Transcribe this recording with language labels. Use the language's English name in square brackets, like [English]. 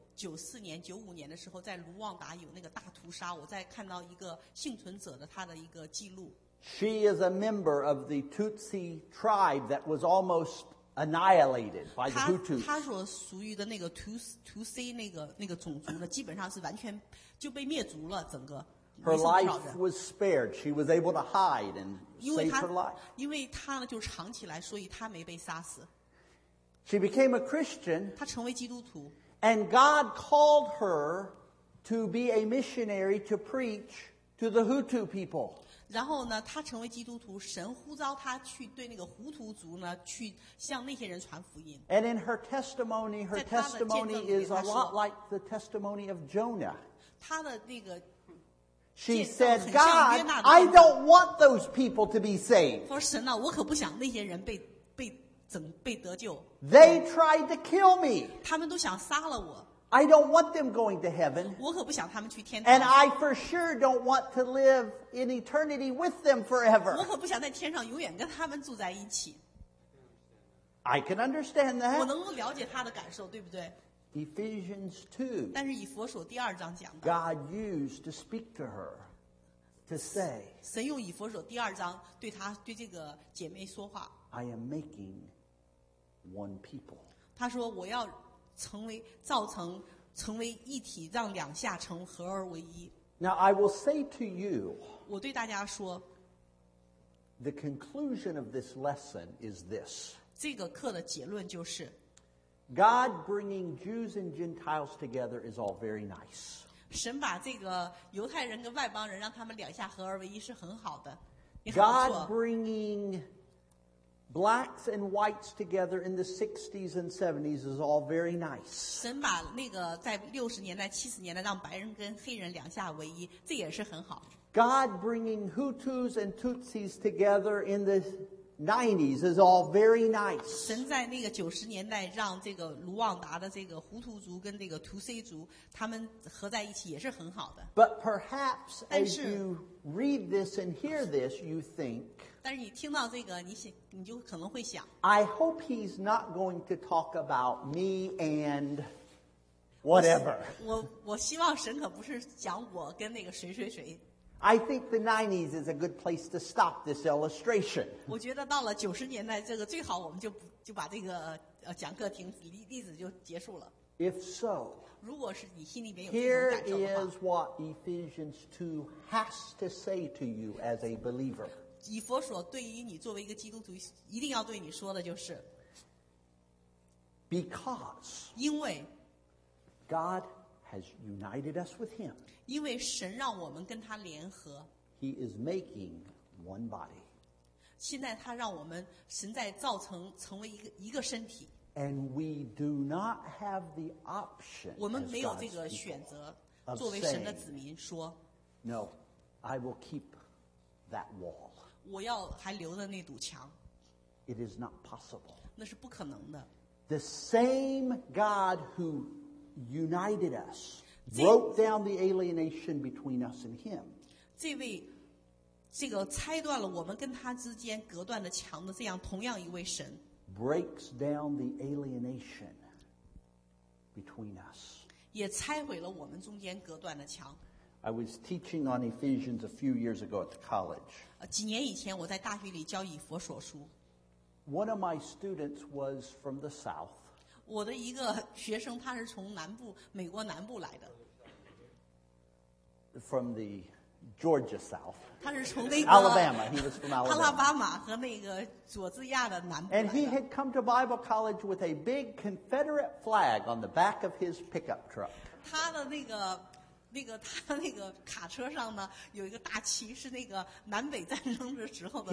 [Chinese] 九四年、九五年的时候，在卢旺达有那个大屠杀，我在看到一个幸存者的他的一个记录。 [English] She is a member of the Tutsi tribe that was almost annihilated by the Hutu. [Chinese] 他所属于的那个Tutsi那个种族呢，基本上是完全就被灭族了，整个。 [English] Her life was spared. She was able to hide and save her life. [Chinese] 因为他呢就藏起来，所以他没被杀死。 [English] She became a Christian. [Chinese] 他成为基督徒。 [English] And God called her to be a missionary to preach to the Hutu people. [Chinese] 然后呢，她成为基督徒，神呼召她去对那个胡图族呢，去向那些人传福音。 [English] And in her testimony is a lot like the testimony of Jonah. [Chinese] 她的那个 [English] She said, God, I don't want those people to be saved. [Chinese] 说神啊，我可不想那些人被得救。 [English] They tried to kill me. [Chinese] 他们都想杀了我。 [English] I don't want them going to heaven. [Chinese] 我可不想他们去天堂。 [English] And I for sure don't want to live in eternity with them forever. [Chinese] 我可不想在天上永远跟他们住在一起。 [English] I can understand that. [Chinese] 我能够了解他的感受，对不对？ [English] Ephesians 2. [Chinese] 但是以弗所第二章讲的。 [English] God used to speak to her to say. [Chinese] 神用以弗所第二章对他对这个姐妹说话。 [English] I am making one people. [Chinese] 他说我要成为造成成为一体，让两下成合而为一。 [English] Now I will say to you. [Chinese] 我对大家说。 [English] The conclusion of this lesson is this. [Chinese] 这个课的结论就是。 [English] God bringing Jews and Gentiles together is all very nice. [Chinese] 神把这个犹太人跟外邦人让他们两下合而为一是很好的。 [English] God bringing blacks and whites together in the 60s and 70s is all very nice. [Chinese] 神把那个在60年代70年代让白人跟黑人两下为一这也是很好。 [English] God bringing Hutus and Tutsis together in the 90s is all very nice. [Chinese] 神在那个90年代让这个卢旺达的这个胡图族跟这个图塞族他们合在一起也是很好的。 [English] But perhaps as you read this and hear this, you think, [Chinese] 但是你听到这个 你就可能会想 [English] I hope he's not going to talk about me and whatever. [Chinese] 我希望神可不是讲我跟那个谁谁谁。 [English] I think the 90s is a good place to stop this illustration. [Chinese] 我觉得到了九十年代，这个最好我们就把这个讲课停例子就结束了。 [English] If so, [Chinese] 如果是你心里面有这种感受的话 [English] here is what Ephesians 2 has to say to you as a believer. [Chinese] 以弗所对于你作为一个基督徒一定要对你说的就是 [English] because [Chinese] 因为 [English] God has united us with him. [Chinese] 因为神让我们跟他联合。 [English] He is making one body. [Chinese] 现在他让我们神在造成成为一个身体。 [English] And we do not have the option. [Chinese] 我们没有这个选择作为神的子民说。 [English] No, I will keep that wall. [Chinese] 我要还留着那堵墙。 [English] It is not possible. [Chinese] 那是不可能的。 [English] The same God who united us, broke down the alienation between us and him. [Chinese] 这个拆断了我们跟他之间隔断的墙的这样同样一位神 [English] breaks down the alienation between us. [Chinese] 也拆毁了我们中间隔断的墙。 [English] I was teaching on Ephesians a few years ago at the college. [Chinese] 几年以前我在大学里教以弗所书。 [English] One of my students was from the south. [Chinese] 我的一个学生他是从南部美国南部来的 [English] from the Georgia South [Chinese] 他是从那个 [English] Alabama, he was from Alabama. [Chinese] 阿拉巴马和那个佐治亚的南部来的 [English] and he had come to Bible College with a big Confederate flag on the back of his pickup truck [Chinese] 他的那个卡车上呢有一个大旗是那个南北战争的时候的